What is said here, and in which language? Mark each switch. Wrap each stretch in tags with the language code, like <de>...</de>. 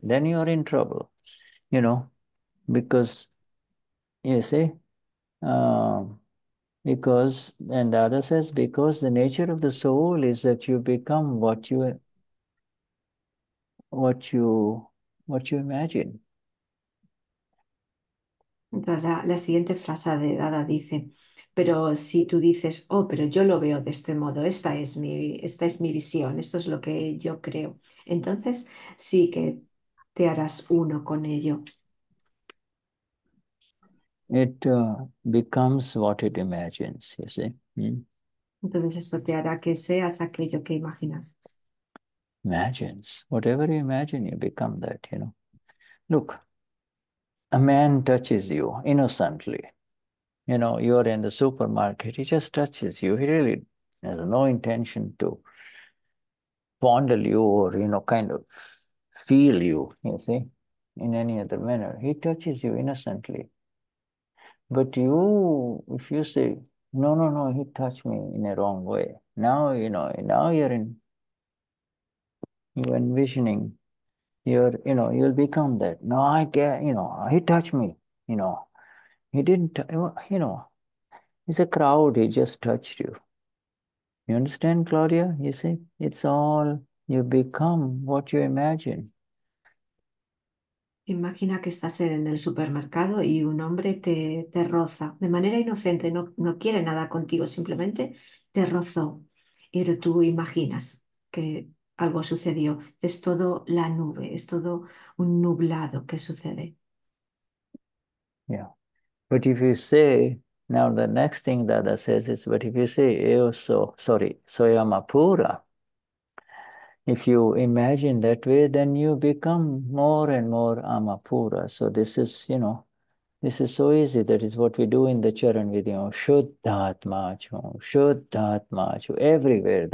<en>Then you are in trouble, you know, because you see, because, and Dada says, because the nature of the soul is that you become what you imagine.</en> <es>La siguiente frase de Dada dice, pero si tú dices, oh, pero yo lo veo de este modo, esta es mi visión, esto es lo que yo creo, entonces sí que te harás uno con ello.</es> <en>It becomes what it imagines, you see.</en> <es>Entonces esto te hará que seas aquello que imaginas. Imagines.</es> <en>Whatever you imagine, you become that, you know. Look, a man touches you innocently. You know, you are in the supermarket, he just touches you. He really has no intention to fondle you or, you know, kind of feel you see, in any other manner. He touches you innocently. But you, if you say, no, he touched me in a wrong way. Now, you know, now you're in, you're envisioning, you're, you know, you'll become that. No, I can't, you know, he touched me, you know. He didn't, you know, it's a crowd, he just touched you. You understand, Claudia? You see, it's all, you become what you imagine.</en> <es>Imagina que estás en el supermercado y un hombre te roza de manera inocente, no quiere nada contigo, simplemente te rozó. Pero tú imaginas que algo sucedió. Es todo la nube, es todo un nublado que sucede.</es> <en>Yeah. But if you say, now the next thing Dada says is, but if you say,</en> <es>eo so,</es> <en>sorry,</en> <es>soyama pura,</es> <en>if you imagine that way, then you become more and more amapura. So this is, you know, this is so easy. That is what we do in the charan with, you know, Shuddhatma, everywhere.</en>